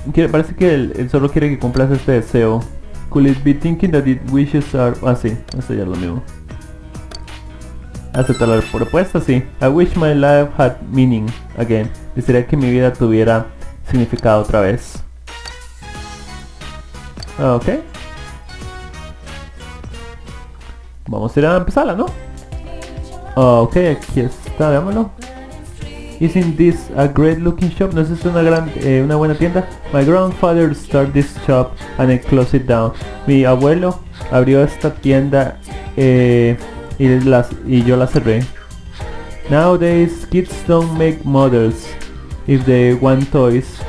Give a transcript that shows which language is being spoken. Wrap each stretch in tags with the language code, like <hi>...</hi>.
<es>Parece que él solo quiere que cumplas este deseo.</es> <en>Could it be thinking that its wishes are...</en> <es>Ah, sí. Esto ya es lo mismo. Acepta la propuesta, sí.</es> <en>I wish my life had meaning again.</en> <es>Desearía que mi vida tuviera significado otra vez. Ok. Vamos a ir a empezarla, ¿no? Ok, aquí está, veámoslo.</es> <en>Isn't this a great looking shop?</en> <es>¿No es esto una gran, una buena tienda?</es> <en>My grandfather started this shop and he closed it down.</en> <es>Mi abuelo abrió esta tienda y yo la cerré.</es> <en>Nowadays, kids don't make models if they want toys.</en>